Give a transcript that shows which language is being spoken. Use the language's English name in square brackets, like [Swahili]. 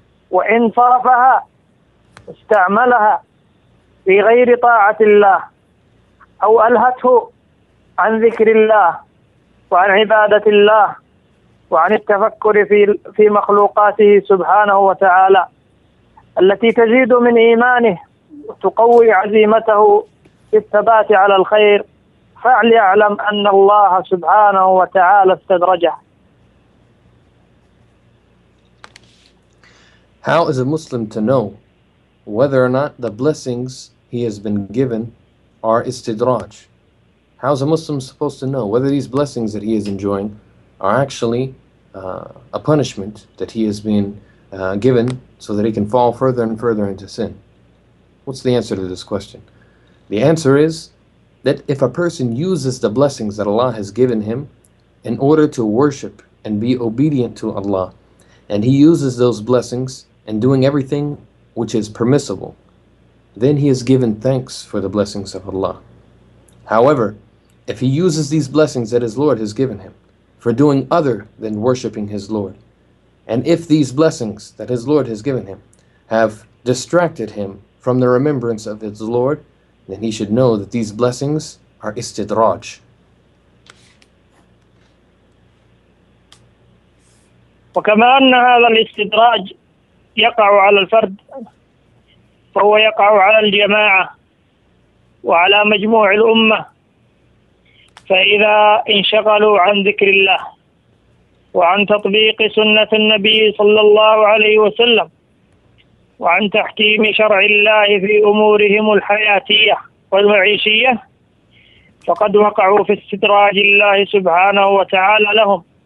[Arabic] وإن صرفها استعملها في غير طاعة الله أو ألهته عن ذكر الله وعن عبادة الله وعن التفكر في مخلوقاته سبحانه وتعالى التي تزيد من إيمانه وتقوي عزيمته في الثبات على الخير، فليعلم أن الله سبحانه وتعالى استدرجه. [English] How is a Muslim to know whether or not the blessings he has been given are istidraj? How's a Muslim supposed to know whether these blessings that he is enjoying are actually a punishment that he has been given so that he can fall further and further into sin? What's the answer to this question? The answer is that if a person uses the blessings that Allah has given him in order to worship and be obedient to Allah, and he uses those blessings in doing everything which is permissible, then he is given thanks for the blessings of Allah. However, if he uses these blessings that his Lord has given him for doing other than worshiping his Lord, and if these blessings that his Lord has given him have distracted him from the remembrance of his Lord, then he should know that these blessings are istidraj. [Arabic] وكما أن هذا الاستدراج يقع على الفرد فهو يقع على الجماعة وعلى مجموع الأمة، فإذا انشغلوا عن ذكر الله وعن تطبيق سنة النبي صلى الله عليه وسلم وعن تحكيم شرع الله في أمورهم الحياتية والمعيشية فقد وقعوا في استدراج الله سبحانه وتعالى لهم.